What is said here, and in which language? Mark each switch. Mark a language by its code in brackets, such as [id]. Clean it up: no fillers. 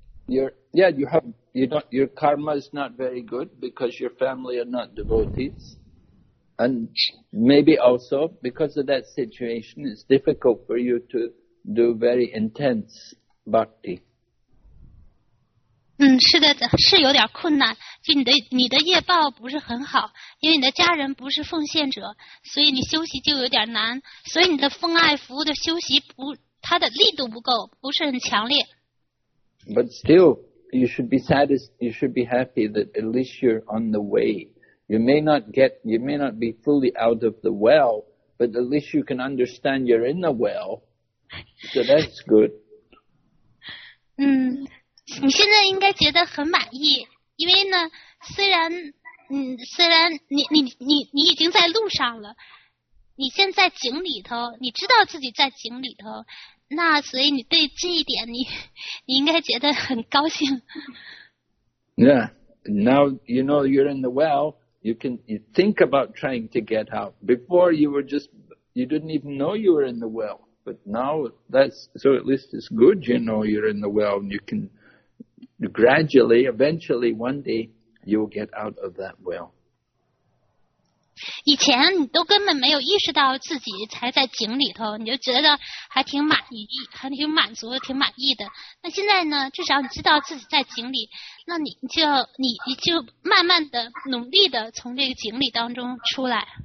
[en] Your karma is not very good because your family are not devotees. And maybe also because of that situation, it's difficult for you to do very intense bhakti. [zh] 是的，是有点困难，就你的业报不是很好，因为你的家人不是奉献者，所以你休息就有点难，所以你的奉爱服务的休息不，它的力度不够，不是很强烈。 [en] But still, you should be satisfied. You should be happy that at least you're on the way. You may not be fully out of the well, but at least you can understand you're in the well. So that's good. [zh] 嗯，你现在应该觉得很满意。因为呢，虽然你已经在路上了，你现在井里头，你知道自己在井里头，那所以你对这一点你应该觉得很高兴。 [en] Yeah, now you know you're in the well. You think about trying to get out. Before you didn't even know you were in the well. But now that's so at least it's good you know you're in the well and you can. Gradually, eventually, one day, you'll get out of that well. [zh] 以前你都根本没有意识到自己才在井里头，你就觉得还挺满意，还挺满足，挺满意的。那现在呢？至少你知道自己在井里，那你就慢慢的努力的从这个井里当中出来。